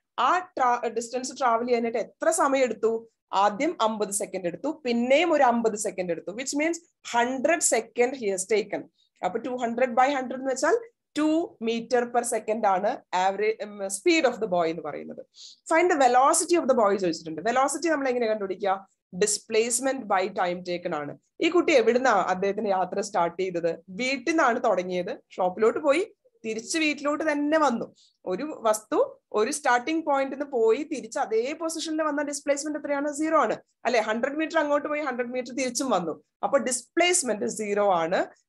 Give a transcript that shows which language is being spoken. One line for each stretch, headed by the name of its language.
Malayalam: ആ distance travel ചെയ്യാനായിട്ട് എത്ര സമയം എടുത്തു? ആദ്യം 50 സെക്കൻഡ് എടുത്തു, പിന്നെയും ഒരു 50 സെക്കൻഡ് എടുത്തു.
English: Which means 100 second he has taken.
Malayalam: അപ്പൊ 200 / 100 എന്ന് വെച്ചാൽ
English: 2 meters per second
Malayalam: ആണ്
English: average speed of the boy
Malayalam: എന്ന് പറയുന്നത്.
English: Find the velocity of the boy
Malayalam: ചോദിച്ചിട്ടുണ്ട്. വെലോസിറ്റി നമ്മൾ എങ്ങനെ കണ്ടുപിടിക്കുക?
English: Displacement by time taken
Malayalam: ആണ്. ഈ കുട്ടി എവിടുന്നാണ് അദ്ദേഹത്തിന്റെ യാത്ര സ്റ്റാർട്ട് ചെയ്തത്? വീട്ടിൽ നിന്നാണ് തുടങ്ങിയത്, ഷോപ്പിലോട്ട് പോയി തിരിച്ച് വീട്ടിലോട്ട് തന്നെ വന്നു. ഒരു വസ്തു ഒരു സ്റ്റാർട്ടിംഗ് പോയിന്റിൽ നിന്ന് പോയി തിരിച്ച് അതേ പൊസിഷനിൽ വന്ന ഡിസ്പ്ലേസ്മെന്റ് എത്രയാണ്? സീറോ ആണ് അല്ലെ. 100 meters അങ്ങോട്ട് പോയി 100 meters തിരിച്ചും വന്നു. അപ്പൊ ഡിസ്പ്ലേസ്മെന്റ് സീറോ ആണ്.